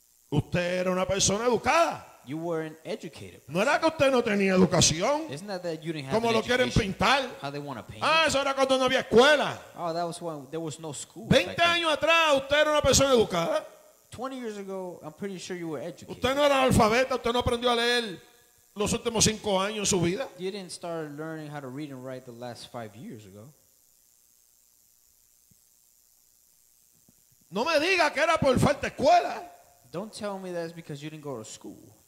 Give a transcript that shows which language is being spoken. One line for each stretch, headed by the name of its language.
Spanish: Usted era una persona educada.
English: You weren't educated.
Spanish: No era que usted no tenía educación.
English: Isn't that you didn't have education?
Spanish: Como lo quieren pintar.
English: How they want to paint.
Spanish: Ah, eso era cuando no había escuela.
English: Oh, that was when there was no school.
Spanish: 20 años atrás, usted era una persona educada.
English: 20 years ago, I'm pretty sure you were educated.
Spanish: Usted no era analfabeta. Usted no aprendió a leer los últimos 5 años en su vida.
English: You didn't start learning how to read and write the last 5 years ago.
Spanish: No me diga que era por falta de escuela.
English: Don't tell me that's because you didn't go to school.